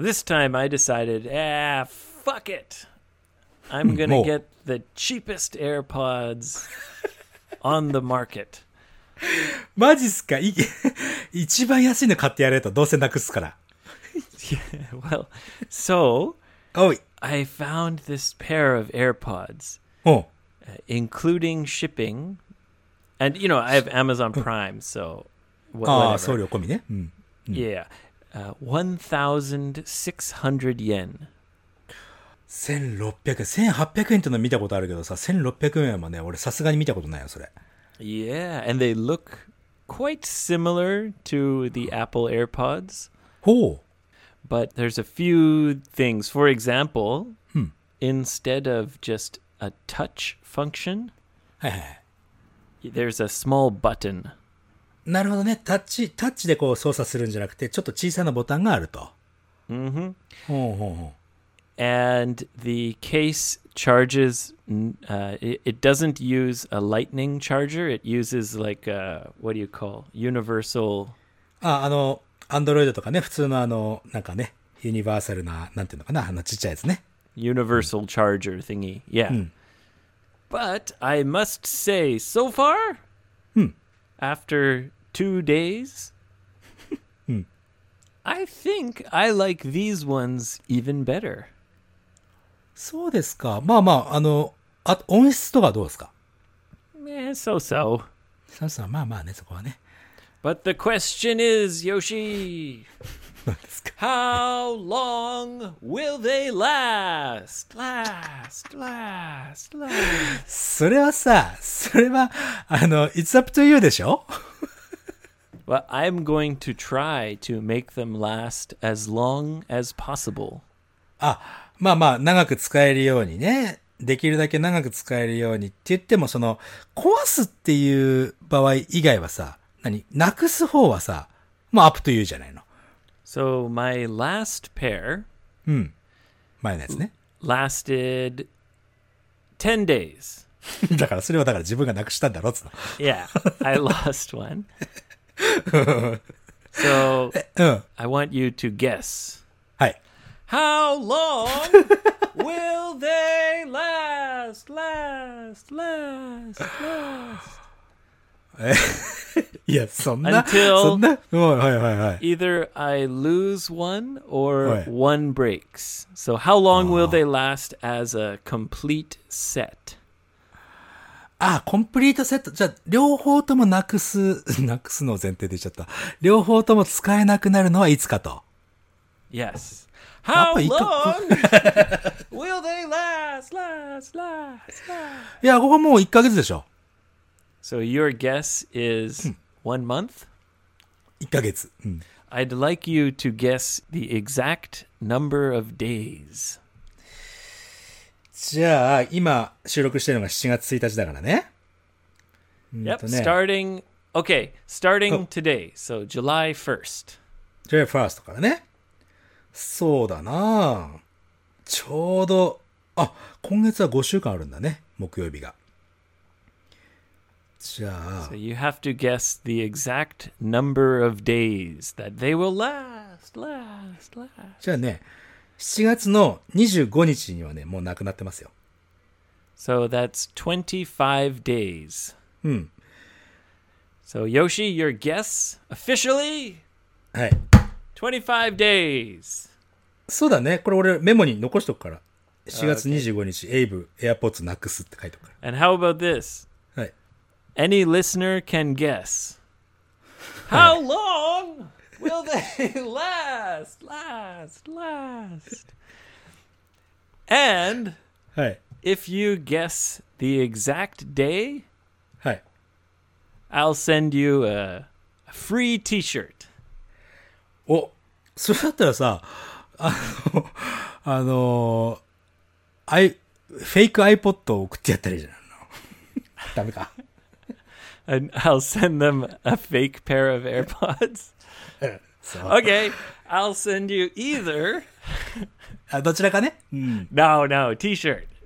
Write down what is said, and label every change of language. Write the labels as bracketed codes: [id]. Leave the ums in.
[en] this time I decided, ah, eh, fuck it. I'm going to get the cheapest AirPods on the market. [ja] マジっすか 一番安いの買ってやれと。どうせなくすから。 [en] yeah, well, so, I found this pair of AirPods, including shipping. And, you know, I have Amazon Prime, so. What, whatever. [ja] ああ、送料込みね。 [en] うん、yeah. Uh, 1,600 yen. [ja] 1600円、1800円っての見たことあるけどさ、1600円はね、俺さすがに見たことないよ、それ。 [en] Yeah, and they look quite similar to the Apple AirPods. ほう。But there's a few things. For example, instead of just a touch function, there's a small button. [ja] なるほどね。タッチ、タッチでこう操作するんじゃなくて、ちょっと小さなボタンがあると。 [en] うんふん。ほうほうほう。and the case charges. Uh, it, it, doesn't use a lightning charger. It uses like a, what do you call universal. [ja] Ah, あの Android とかね、普通のあのなんかね、ユニバーサルななんていうのかな、あ [en] のちっちゃいやつね。Universal charger thingy. Yeah. But I must say, so far, after two days, I think I like these ones even better. [ja] そうですか。まあまあ、あの、あ音質とかどうですか [en] eh, so so. So so, But the question is, Yoshi, how long will they last? Last, last, last. それはさ、それはあの、it's up to you Well, I'm going to try to make them last as long as possible. Ah. [ja] まあまあ、長く使えるようにね、できるだけ長く使えるようにって言っても、その、壊すっていう場合以外はさ、何なくす方はさ、も、ま、う、あ、アップというじゃない [en] の。So, my last pair. [ja] うん。前のやつね。 [en] lasted 10 days. [ja] だからそれはだから自分がなくしたんだろうっつっ [en] Yeah, I lost one. so,、うん、I want you to guess. How long will they last, last, last, last? yes, until either I lose one or one breaks. So, how long will they last as a complete set? [ja] あ,あ、コンプリートセット。じゃあ、両方ともなくす、なくすのを前提で言っちゃった。両方とも使えなくなるのはいつかと。 [en] Yes. How long will they last, last, last, last? [ja] Yeah, ここはもう1ヶ月でしょ。 [en] So your guess is one month? [ja] 1ヶ月。 [en] うん、I'd like you to guess the exact number of days. [ja] じゃあ、今収録してるのが7月1日だからね。 [en] ね yep. starting, okay, starting today, so July 1st. July 1st からね。 [ja] そうだなちょうど、あ、今月は5週間あるんだね、木曜日が。じゃあ。 [en] So you have to guess the exact number of days that they will last, last, last. [ja] じゃあね、7月の25日にはね、もうなくなってますよ。 [en] So that's 25 days. うん。 So Yoshi, your guess officially? はい。25 days. そうだね。 [ja] これ俺メモに残しとくから。 4月25日、<Okay. Oh, S 2> エイブ、エアポッツなくすって書いておくから。 [en] And how about this? はい。Any listener can guess. How long will they last? Last, last. and if you guess the exact day, I'll send you a free t shirt. [ja] それだったらさ、あの、あの、アイ、フェイク iPod を送ってやったらいいじゃん。ダメか。 [en] I'll send them a fake pair of AirPods. so. Okay, I'll send you either. [ja] どちらかね [en] No, no, T-shirt.